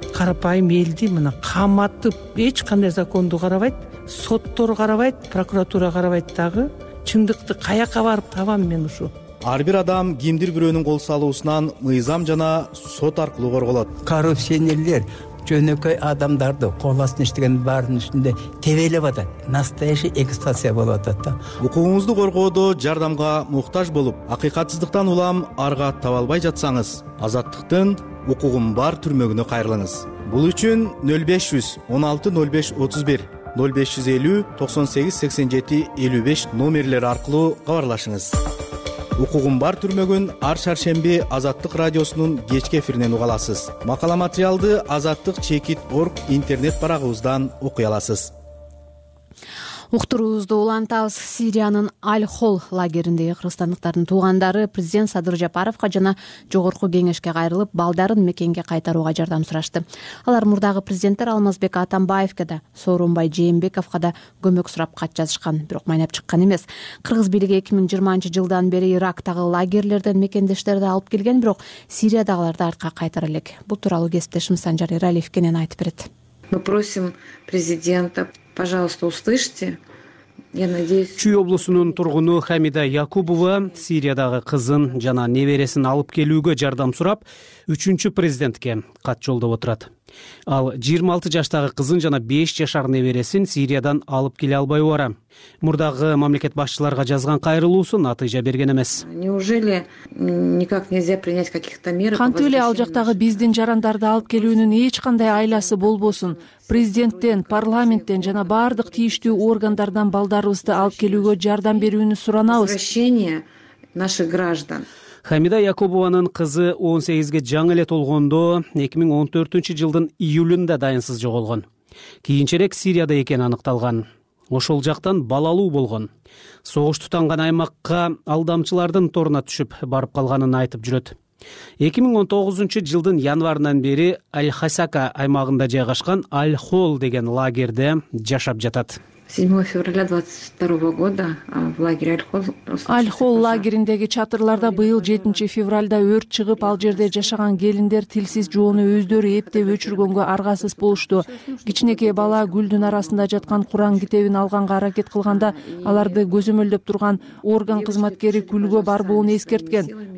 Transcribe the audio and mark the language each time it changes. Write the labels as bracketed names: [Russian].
[Kyrgyz] Карапайым элди мына каматып эч кандай законду карабайт, соттор карабайт, прокуратура карабайт дагы. Чындыкты каяка барып табам мен ушу? Ар бир адам кимдир бирөөнүн кол салуусунан мыйзам жана сот аркылуу корголот. Коррупционерлер жөнөкөй адамдарды кол астына иштегендин баарынын үстүндө тебелеп атат. [Russian] Настоящий эксплуатация [Kyrgyz] болуп атат да. Укугуңузду коргоодо жардамга муктаж болуп акыйкатсыздыктан улам арга таба албай жатсаңыз, Азаттыктын укугум бар түрмөгүнө кайрылыңыз. Бул үчүн 0500 16 05 31, 0500 98 87 55 номерлери аркылуу кабарлашыңыз. Укугум бар түрмөгүн ар шаршемби Азаттык радиосунун кечки эфиринен уга аласыз. Макала материалды Азаттык чекит орг интернет барагыбыздан окуй аласыз. Уктуруубузду улантабыз. Сириянын Аль-Хол лагериндеги кыргызстандыктардын туугандары президент Садыр Жапаровко жана Жогорку Кеңешке кайрылып, балдарын мекенге кайтарууга жардам сурашты. Алар мурдагы президенттер Алмазбек Атамбаевке да, Сооронбай Жээнбековго да көмөк сурап кат жазышкан, бирок майнап чыккан эмес. Кыргыз бийлиги 2020-жылдан бери Ирактагы лагерлерден мекендештерди алып келген, бирок Сириядагыларды артка кайтара элек. Бул тууралуу кесиптешим Санжар Эралиев кенен айтып берет. [Russian] Мы просим президента, пожалуйста, услышьте. Я надеюсь. [Kyrgyz] Чүй облусунун тургуну Хамида Якубова Сириядагы кызын жана небересин алып келүүгө жардам сурап, 3-чү президентке кат жолдоп отурат. Ал 26 жаштагы кызын жана 5 жашар небересин Сириядан алып келе албай убара. Мурдагы мамлекет башчыларга жазган кайрылуусу натыйжа берген эмес. [Russian] Неужели никак нельзя принять каких-то мер? [Kyrgyz] Кантип эле ал жактагы биздин жарандарды алып келүүнүн эч кандай айласы болбосун, президенттен, парламенттен жана баардык тийиштүү органдардан балдарыбызды алып келүүгө жардам берүүнү суранабыз. [Russian] Возвращение наших граждан. [Kyrgyz] Хамида Якубованын кызы 18-ге жаңы эле толгондо 2014 жылдын июлунда дайынсыз жоголгон. Кийинчерээк Сирияда экени аныкталган. Ошол жактан балалуу болгон. Согуш тутанган аймакка алдамчылардын торуна түшүп барып калганын айтып жүрөт. 2019 жылдын январынан бери Аль-Хасака аймагында жайгашкан Аль-Хол деген лагерде жашап жатат. [Russian] 7 февраля 2022 года в лагере Аль-Хол. [Kyrgyz] Аль-Хол лагериндеги чатырларда быйыл 7 февралда өрт чыгып, ал жерде жашаган келиндер тилсиз жоону өздөрү эптеп өчүргөнгө аргасыз болушту. Кичинекей бала гүлдүн арасында жаткан Куран китебин алганга аракет кылганда, аларды көзөмөлдөп турган орган кызматкери күлгө барбоон эскерткен.